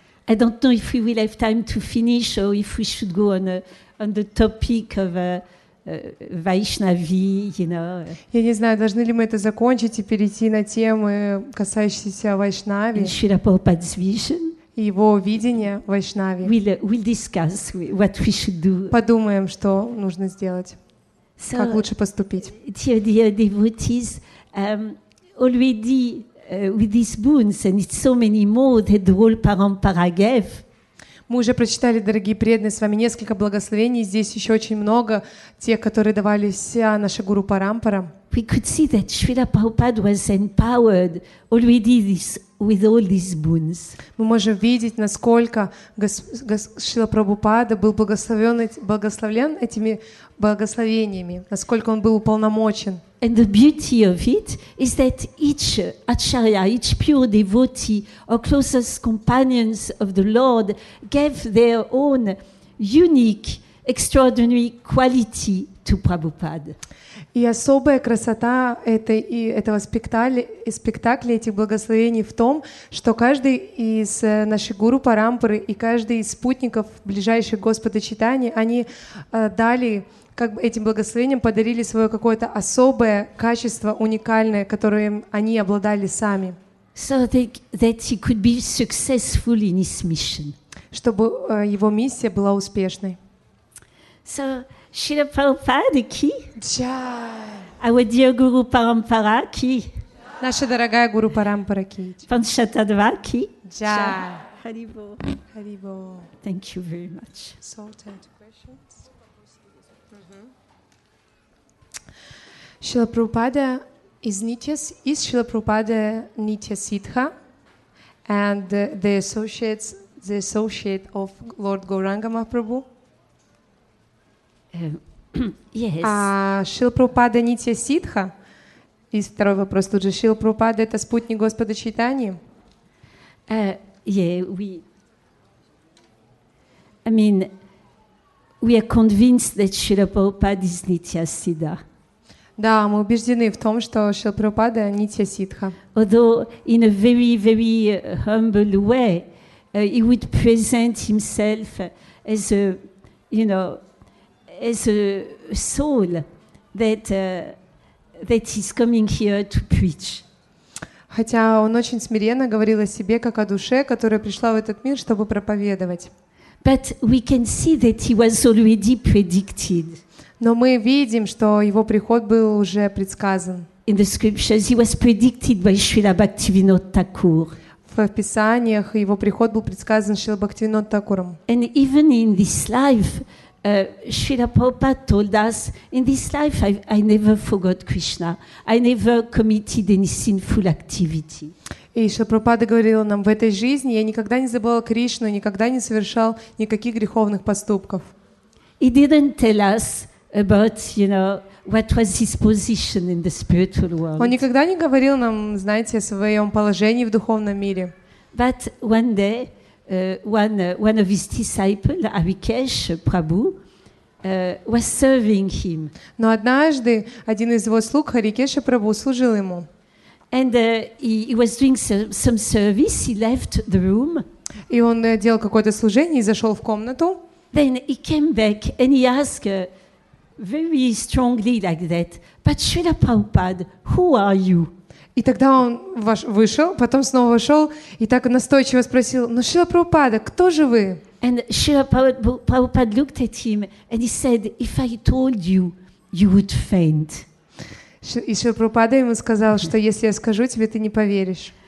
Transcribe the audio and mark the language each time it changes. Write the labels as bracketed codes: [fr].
[en] I don't know if we will have time to finish or if we should go on the topic of Vaishnavi, you know. [ru] Я не знаю, должны ли мы это закончить и перейти на темы, касающиеся Вайшнави. [en] Shri Prabhupada's vision. [ru] Его видение Вайшнави. [en] We'll discuss what we should do. [ru] Подумаем, что нужно сделать. So, как лучше поступить. [en] Dear devotees, already with these boons, and it's so many more that the whole parampara gave. [ru] Мы уже прочитали, дорогие преданные, с вами несколько благословений. Здесь еще очень много тех, которые давали вся наша гуру парампара. [en] We could see that Srila Prabhupada was empowered already this, with all these boons. [ru] Мы можем видеть, насколько Шрила Прабхупада был благословлен этими благословениями, насколько он был уполномочен. [en] And the beauty of it is that each acharya, each pure devotee or closest companions of the Lord gave their own unique, extraordinary quality to Prabhupada. [ru] И особая красота этого спектакля, этих благословений в том, что каждый из наших гуру парампары и каждый из спутников ближайших Господа Чайтаньи, они дали как бы этим благословением подарили свое какое-то особое качество, уникальное, которым они обладали сами. [en] So that he could be successful in his mission. [ru] Чтобы его миссия была успешной. [en] So, Srila Prabhupada, ki? Jai. Our dear Guru Parampara, ki? Jai. [ru] Наша дорогая Гуру Парампара, ki? Панчатадва, ki? Jai. Харибо. Харибо. [en] Thank you very much. Salted. Srila Prabhupada is Nityas, is Srila Prabhupada Nitya Siddha and the associate of Lord Gauranga Mahaprabhu. Yes. Srila Prabhupada Nitya Siddha. [ru] И второй вопрос тут же. Srila Prabhupada это спутник Господа Чайтаньи? [en] Yeah, we... I mean, we are convinced that Srila Prabhupada is Nitya Siddha. [ru] Да, мы убеждены в том, что Шрила Прабхупада — нитья сиддха. [en] Although in a very, very humble way, he would present himself as a, you know, as a soul that that is coming here to preach. [ru] Хотя он очень смиренно говорил о себе как о душе, которая пришла в этот мир, чтобы проповедовать. [en] But we can see that he was already predicted. [ru] Но мы видим, что его приход был уже предсказан. [en] In the scriptures, he was predicted by Srila Bhaktivinoda Thakur. [ru] В писаниях его приход был предсказан Шрила Бхактивинода Такуром. [en] And even in this life, Srila Prabhupada told us, in this life I never forgot Krishna. I never committed any sinful activity. [ru] И Шрила Прабхупада говорил нам, в этой жизни я никогда не забывал Кришну, никогда не совершал никаких греховных поступков. [en] He didn't tell us about, you know, what was his position in the spiritual world. [ru] Он никогда не говорил нам, знаете, о своем положении в духовном мире. [en] But one day, one of his disciples, Arikesh Prabhu, was serving him. [ru] Но однажды один из его слуг, Арикеша Прабху, служил ему. [en] And he was doing some service. He left the room. [ru] И он делал какое-то служение и зашел в комнату. [en] Then he came back and he asked very strongly like that. But Srila Prabhupada, who are you? [ru] И тогда он вышел, потом снова вошел и так настойчиво спросил: "Но Шрила Прабхупада, кто же вы?" [en] And Srila Prabhupada looked at him and he said, "If I told you, you would faint." [ru] И Шрила Прабхупада ему сказал, что если я скажу тебе, ты не поверишь.